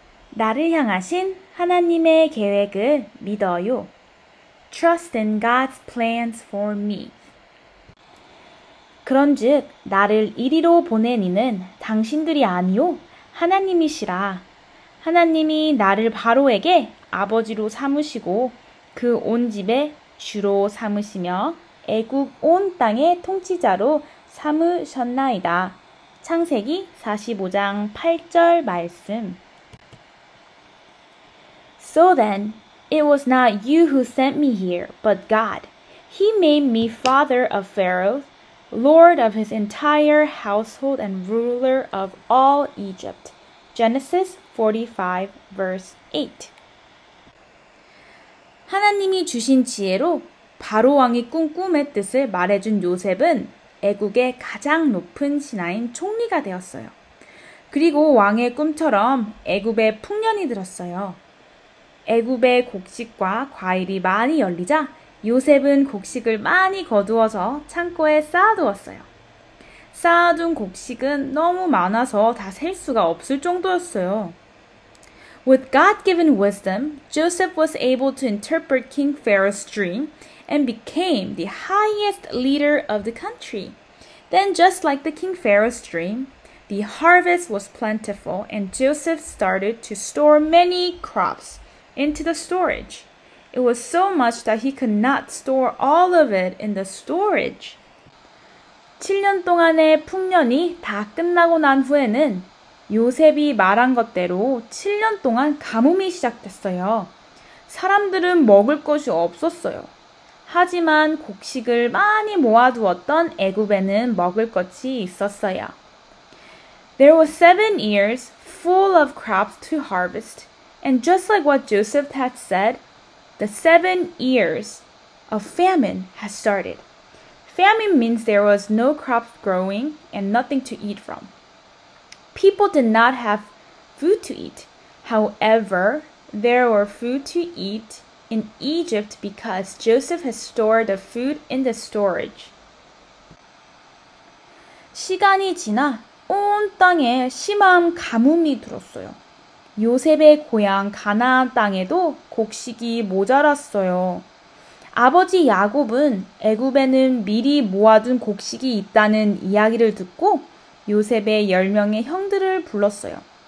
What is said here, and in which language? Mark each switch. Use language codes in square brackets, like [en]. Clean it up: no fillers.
[ko] 나를 향하신 하나님의 계획을 믿어요. [en] Trust in God's plans for me. [ko] 그런즉 나를 이리로 보낸 이는 당신들이 아니오 하나님이시라. 하나님이 나를 바로에게 아버지로 삼으시고 그 온 집에 주로 삼으시며 애굽 온 땅의 통치자로 삼으셨나이다. 창세기 45장 8절 말씀. [en] So then, it was not you who sent me here, but God. He made me father of Pharaoh, lord of his entire household and ruler of all Egypt. Genesis 45 verse 8. [ko] 하나님이 주신 지혜로 바로 왕이 꾼 꿈의 뜻을 말해준 요셉은 애굽의 가장 높은 신하인 총리가 되었어요. 그리고 왕의 꿈처럼 애굽에 풍년이 들었어요. 애굽의 곡식과 과일이 많이 열리자 요셉은 곡식을 많이 거두어서 창고에 쌓아두었어요. 쌓아둔 곡식은 너무 많아서 다 셀 수가 없을 정도였어요. [en] With God-given wisdom, Joseph was able to interpret King Pharaoh's dream and became the highest leader of the country. Then, just like the King Pharaoh's dream, the harvest was plentiful and Joseph started to store many crops into the storage. It was so much that he could not store all of it in the storage. [ko] 7년 동안의 풍년이 다 끝나고 난 후에는 요셉이 말한 것대로 7년 동안 가뭄이 시작됐어요. 사람들은 먹을 것이 없었어요. 하지만 곡식을 많이 모아두었던 애굽에는 먹을 것이 있었어요. [en] There were 7 years full of crops to harvest. And just like what Joseph had said, the 7 years of famine has started. Famine means there was no crop growing and nothing to eat from. People did not have food to eat. However, there were food to eat in Egypt because Joseph has stored the food in the storage. [ko] 시간이 지나 온 땅에 심한 가뭄이 들었어요. 요셉의 고향 가나안 땅에도 곡식이 모자랐어요. 아버지 야곱은 애굽에는 미리 모아둔 곡식이 있다는 이야기를 듣고 요셉의 10명의 형들을 불렀어요.